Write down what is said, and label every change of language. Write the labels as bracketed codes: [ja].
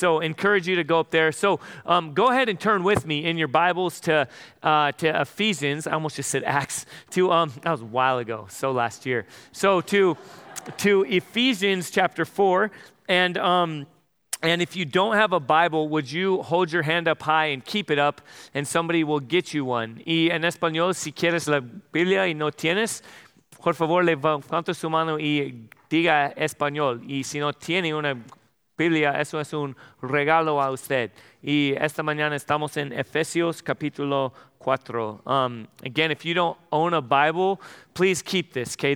[en] So encourage you to go up there. So go ahead and turn with me in your Bibles to Ephesians. I almost just said Acts. That was a while ago, so last year. So to Ephesians chapter 4, And if you don't have a Bible, would you hold your hand up high and keep it up, and somebody will get you one. [es] Y en español, si quieres la Biblia y no tienes, por favor, levanta su mano y diga español. Y si no tiene una Biblia, eso es un regalo a usted. Y esta mañana estamos en Efesios capítulo 4. [en] Again, if you don't own a Bible, please keep this, okay?